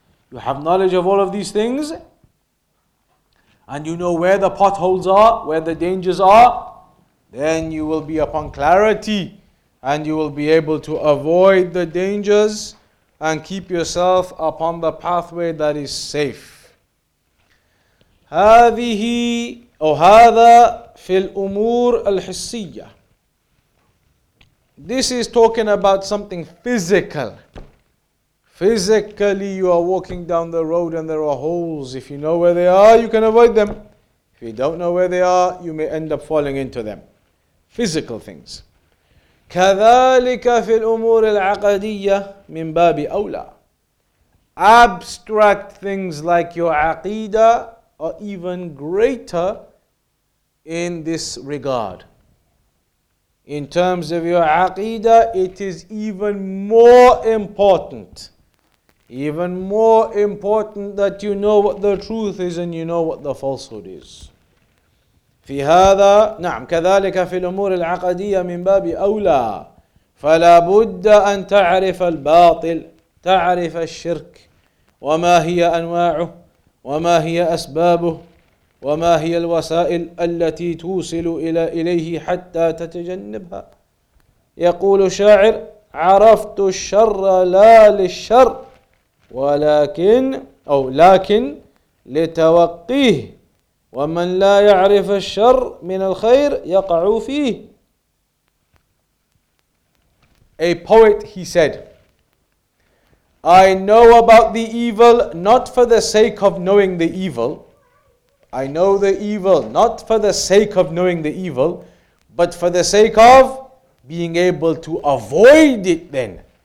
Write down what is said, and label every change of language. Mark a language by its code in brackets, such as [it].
[en] You have knowledge of all of these things, and you know where the potholes are, where the dangers are, then you will be upon clarity, and you will be able to avoid the dangers and keep yourself upon the pathway that is safe. [ar] هذه أو هذا في الأمور الحسية. [en] This is talking about something physical. Physically, you are walking down the road and there are holes. If you know where they are, you can avoid them. If you don't know where they are, you may end up falling into them. Physical things. كذلك في الأمور العقدية من باب أولى. Abstract things like your عقيدة are even greater in this regard. In terms of your aqeedah, it is even more important. Even more important that you know what the truth is and you know what the falsehood is. [ar] في هذا نعم كذلك في الأمور العقدية من باب أولى فلا بد أن تعرف الباطل تعرف الشرك وما هي أنواعه وما هي أسبابه وما هي الوسائل التي توصل إلى إليه حتى تتجنبها يقول شاعر عرفت الشر لا للشر ولكن أو لكن لتوقيه ومن لا يعرف الشر من الخير يقع فيه. [en] A poet, he said, I know about the evil not for the sake of knowing the evil. I know the evil not for the sake of knowing the evil, but for the sake of being able to avoid it then.